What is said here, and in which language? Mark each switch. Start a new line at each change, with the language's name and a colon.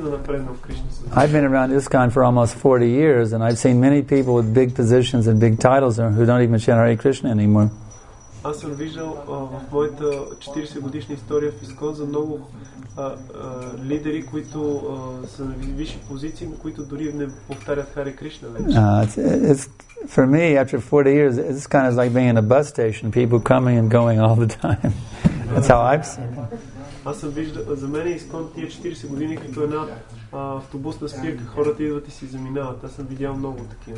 English: I've been around ISKCON for almost 40 years and I've seen many people with big positions and big titles who don't even chant Hare Krishna anymore.
Bulgarian: Аз съм виждал в моята 40-годишна история в ИСКОН за много лидери, които са на висши позиции, които дори не повтарят Харе Кришна вече.
English: For me, after 40 years, it's kind of like being in a bus station, people coming and going all the time. That's how I've seen it.
Bulgarian: Аз съм виждал, за мен ИСКОН тия 40 години като една автобусна спирка хората идват и си заминават. Аз съм видял много такива.